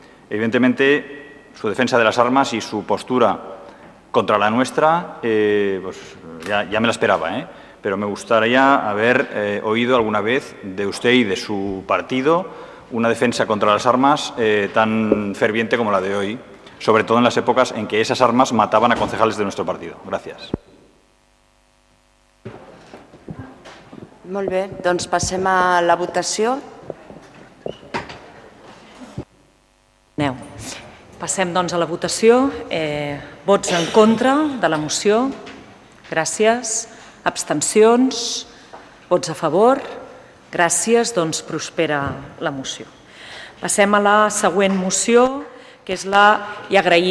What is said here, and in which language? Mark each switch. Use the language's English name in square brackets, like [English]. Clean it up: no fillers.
[Spanish] Evidentemente, su defensa de las armas y su postura contra la nuestra, ya me la esperaba, ¿eh? Pero me gustaría haber oído alguna vez de usted y de su partido una defensa contra las armas tan ferviente como la de hoy, sobre todo en las épocas en que esas armas mataban a concejales de nuestro partido. Gracias. [Catalan] Molt bé, doncs passem a la votació. Neu. Passem doncs a la votació. Vots en contra de la moció. Gràcies. Abstencions, vots a favor, gràcies, doncs prospera la moció. Passem a la següent moció, que és la i agraïm.